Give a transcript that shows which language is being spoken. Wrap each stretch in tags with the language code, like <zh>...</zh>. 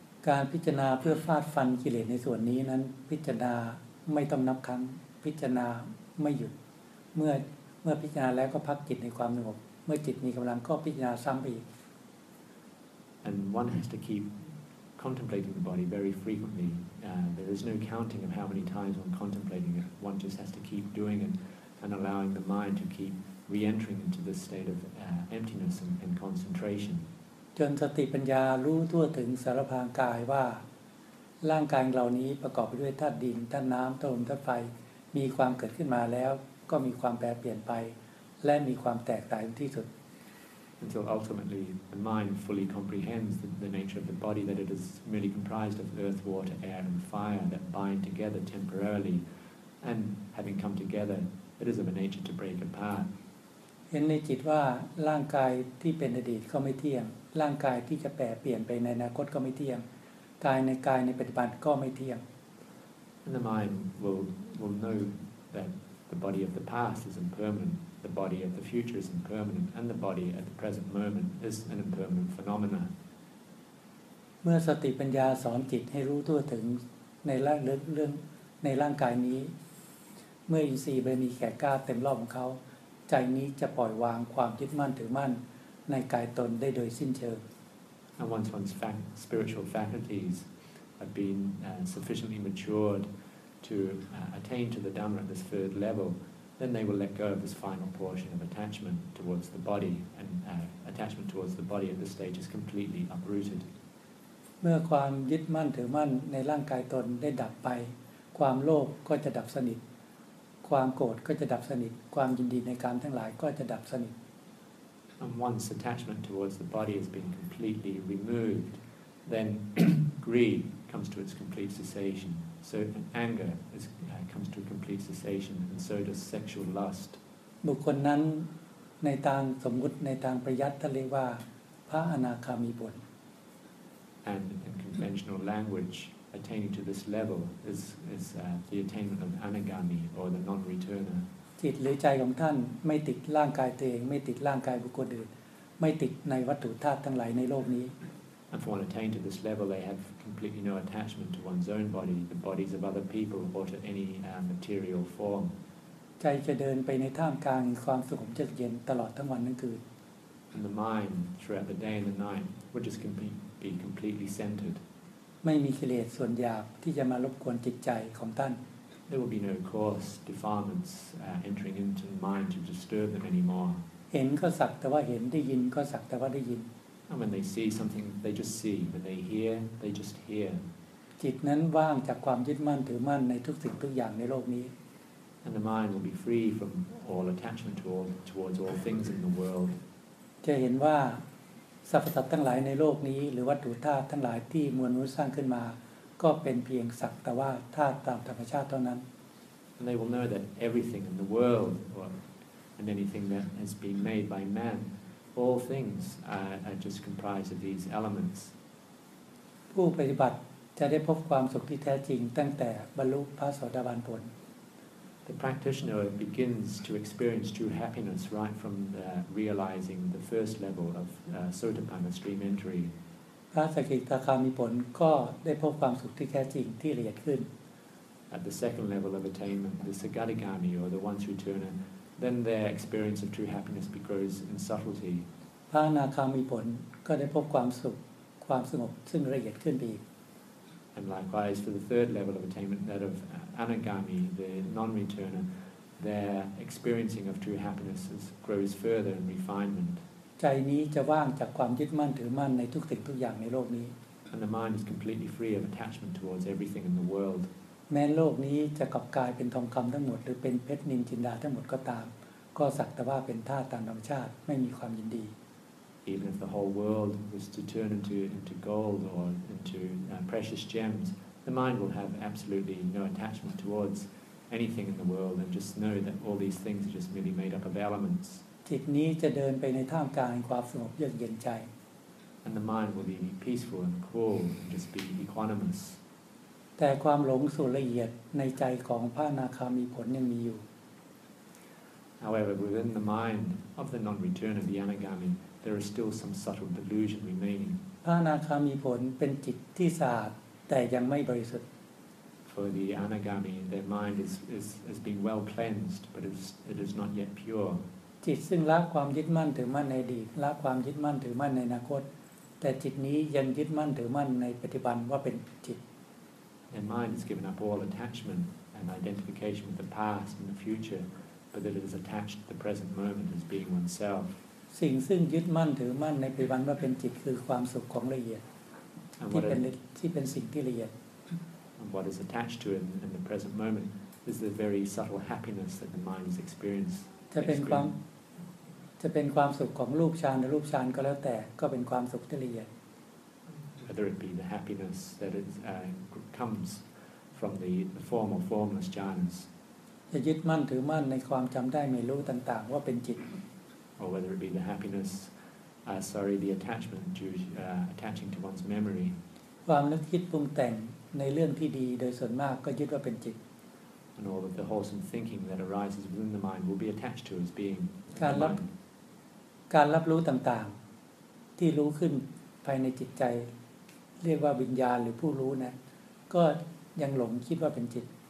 <th>การพิจารณาเพื่อฟาดฟันกิเลสในส่วนนี้นั้นพิจารณาไม่ต้องนับครั้งพิจารณาไม่หยุดเมื่อพิจารณาแล้วก็พักจิตในความสงบเมื่อจิตมีกำลังก็พิจารณาซ้ำอีก</th> <en>And one has to keep contemplating the body very frequently. There is no counting of how many times one contemplating it. One just has to keep doing it and allowing the mind to keep re-entering into this state of emptiness and concentration.</en> <th>จนสติปัญญารู้ทั่วถึงสารพางกายว่าร่างกายเหล่านี้ประกอบไปด้วยธาตุดินธาตุน้ำธาตุลมธาตุไฟมีความเกิดขึ้นมาแล้วก็มีความแปรเปลี่ยนไปและมีความแตกต่างที่สุด</th> <en>Until ultimately the mind fully comprehends the nature of the body, that it is merely comprised of earth, water, air and fire that bind together temporarily, and having come together, it is of a nature to break apart.</en> <th>เห็นในจิตว่าร่างกายที่เป็นอดีตก็ไม่เที่ยงร่างกายที่จะแปรเปลี่ยนไปในอนาคตก็ไม่เที่ยงกายในกายในปัจจุบันก็ไม่เที่ยง</th> <en>And the mind will know that the body of the past is impermanent, the body of the future is impermanent, and the body at the present moment is an impermanent phenomena.</en> <th>เมื่อสติปัญญาสอนจิตให้รู้ทั่วถึงในร่างเรื่องในร่างกายนี้เมื่ออินทรีย์บารมีแก่กล้าเต็มรอบของเขาใจนี้จะปล่อยวางความยึดมั่นถือมั่นในกายตนได้โดยสิ้นเชิง</th> <en>And once one's spiritual faculties have been sufficiently matured to attain to the Dhamma at this third level, then they will let go of this final portion of attachment towards the body, and attachment towards the body at this stage is completely uprooted.</en> <th>เมื่อความยึดมั่นถือมั่นในร่างกายตนได้ดับไปความโลภก็จะดับสนิทความโกรธก็จะดับสนิทความยินดีในกามทั้งหลายก็จะดับสนิท</th> <en>And once attachment towards the body has been completely removed, then greed comes to its complete cessation. So anger comes to a complete cessation, and so does sexual lust.</en> <th>บุคคลนั้นในทางสมมุติในทางประยัติเรียกว่าพระอนาคามีบุตร</th> <en>And in conventional language, attaining to this level is the attainment of anagami or the non-returner.</en> <th>จิตหรือใจของท่านไม่ติดร่างกายตัวเองไม่ติดร่างกายบุคคลอื่นไม่ติดในวัตถุธาตุทั้งหลายในโลกนี้</th> <en>And for one attained to this level, they have completely no attachment to one's own body, the bodies of other people, or to any material form.</en> <th>ใจจะเดินไปในท่ามกลางความสุขเย็นตลอดทั้งวันทั้งคืน</th> <en>And the mind throughout the day and the night, which is completely. Be completely centered.</en> <th>ไม่มีกิเลสส่วนหยาบที่จะมารบกวนจิตใจของท่าน</th> <en>There will be no coarse defilements entering into the mind to disturb them anymore.</en> <th>เห็นก็สักแต่ว่าเห็นได้ยินก็สักแต่ว่าได้ยิน</th> <en>And when they see something, they just see. When they hear, they just hear.</en> <th>จิตนั้นว่างจากความยึดมั่นถือมั่นในทุกสิ่งทุกอย่างในโลกนี้</th> <en>And the mind will be free from all attachment towards all things in the world.</en> <th>จะเห็นว่าสรรพสัตว์ทั้งหลายในโลกนี้หรือวัตถุธาตุทั้งหลายที่มวลมนุษย์สร้างขึ้นมาก็เป็นเพียงสักแต่ว่าธาตุตามธรรมชาติเท่านั้น</th> <en>And they will know that everything in the world and anything that has been made by man, all things are just comprised of these elements.</en> <th>ผู้ปฏิบัติจะได้พบความสุขที่แท้จริงตั้งแต่บรรลุพระโสดาบันผล</th> <en>The practitioner begins to experience true happiness right from the realizing the first level of Sotapanna stream entry.</en> <th>พระสกิทาคามีผลก็ได้พบความสุขที่แท้จริงที่ละเอียดขึ้น</th> <en>At the second level of attainment, the Sagadagami or the once returner, then their experience of true happiness grows in subtlety.</en> <th>พระอนาคามีผลก็ได้พบความสุขความสงบซึ่งละเอียดขึ้นอีก</th> <en>And likewise for the third level of attainment, that of Anagami, the non-returner, their experiencing of true happiness grows further in refinement.</en> <th>ใจนี้จะว่างจากความยึดมั่นถือมั่นในทุกสิ่งทุกอย่างในโลกนี้</th> <en>And the mind is completely free of attachment towards everything in the world.</en> <th>แม้โลกนี้จะกลับกลายเป็นทองคำทั้งหมดหรือเป็นเพชรนิลจินดาทั้งหมดก็ตามก็สักแต่ว่าเป็นธาตุตามธรรมชาติไม่มีความยินดี</th> <en>Even if the whole world was to turn into gold or into precious gems, the mind will have absolutely no attachment towards anything in the world and just know that all these things are just merely made up of elements.</en> <th>จิตนี้จะเดินไปในท่ามกลางความสงบเยือกเย็นใจ</th> <en>And the mind will be peaceful and cool and just be equanimous.</en> <th>แต่ความหลงสู่ละเอียดในใจของพระอนาคามีผลยังมีอยู่</th> <en>However, within the mind of the non-returner, the anagami,There is still some subtle delusion remaining.</en> <th>พระอนาคามีผลเป็นจิตที่สะอาดแต่ยังไม่บริสุทธิ์</th> <en>For the anagami, their mind is being well cleansed, but it is not yet pure.</en> <th>จิตซึ่งละความยึดมั่นถือมั่นในอดีตละความยึดมั่นถือมั่นในอนาคตแต่จิตนี้ยังยึดมั่นถือมั่นในปัจจุบันว่าเป็นจิต</th> <en>Their mind has given up all attachment and identification with the past and the future, but that it is attached to the present moment as being oneself.</en> <th>สิ่งซึ่งยึดมั่นถือมั่นในปัจจุบันว่าเป็นจิตคือความสุขของละเอียดที่เป็นสิ่งที่ละเอียด</th> <en>And what is attached to it in the present moment is the very subtle happiness that the mind has experienced.</en> <th>จะเป็นความสุขของรูปฌานหรือรูปฌานก็แล้วแต่ก็เป็นความสุขที่ละเอียด</th> <en>Whether it be the happiness that it comes from the form or formless jhanas.</en> <th>จะยึดมั่นถือมั่นในความจำได้ไม่รู้ต่างๆว่าเป็นจิต</th> <en>or whether it be the happiness, the attachment due, attaching to one's memory.</en> <th>ความนึกคิดปรุงแต่งในเรื่องที่ดีโดยส่วนมากก็ยึดว่าเป็นจิต</th> <en>And all of the wholesome thinking that arises within the mind will be attached to as being.</en> <th>การรับรู้ต่างๆที่รู้ขึ้นภายในจิตใจเรียกว่าวิญญาณหรือผู้รู้นะก็ยังหลงคิดว่าเป็นจิต</th>